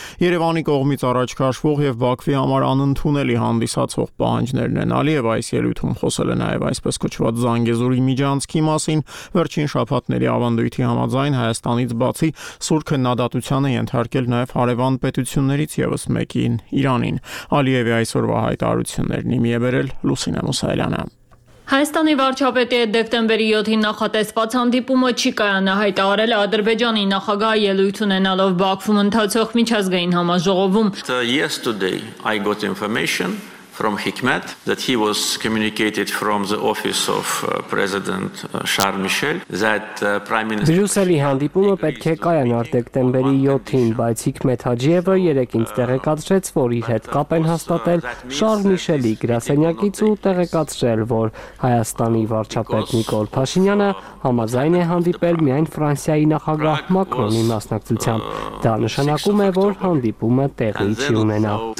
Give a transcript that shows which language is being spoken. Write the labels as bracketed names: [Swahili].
[Armenian] Երևանի կողմից առաջ քաշվող և Բաքվի համար անընդունելի հանդիսացող պահանջներն են։ Ալիևը այս ելույթում խոսել է նաև այսպես կոչված Զանգեզուրի միջանցքի մասին։ Վերջին շաբաթների ավանդույթի համաձայն Հայաստանից բացի սուր քննադատության է ենթարկել նաև հարևան պետություններից ևս մեկին՝ Իրանին։ Ալիևի այսօրվա հայտարարություններն իմ եբերել Լուսինե Մուսայելյանը։ Հայաստանի վարչապետի հետ դեկտեմբերի 7-ին նախատեսված հանդիպումը չի կայանա, հայտարարել Ադրբեջանի նախագահը ելույթ ունենալով Բաքվում ընթացող միջազգային համաժողովում։ [English] Yesterday I got information from Hikmet that he was communicated from the office of President Charles Michel that Prime Minister [Armenian] Բրյուսելի հանդիպումը պետք է կայանար դեկտեմբերի 7-ին, բայց Հիքմետ Հաջիևը երեկին տեղեկացրեց, որ իր հետ կապ են հաստատել Շարլ Միշելի գրասենյակից ու տեղեկացրել, որ Հայաստանի վարչապետ Նիկոլ Փաշինյանը համաձայն է հանդիպել միայն Ֆրանսիայի նախագահ Մակրոնի մասնակցությամբ։ Դա նշանակում է, որ հանդիպումը տեղի չի ունենա։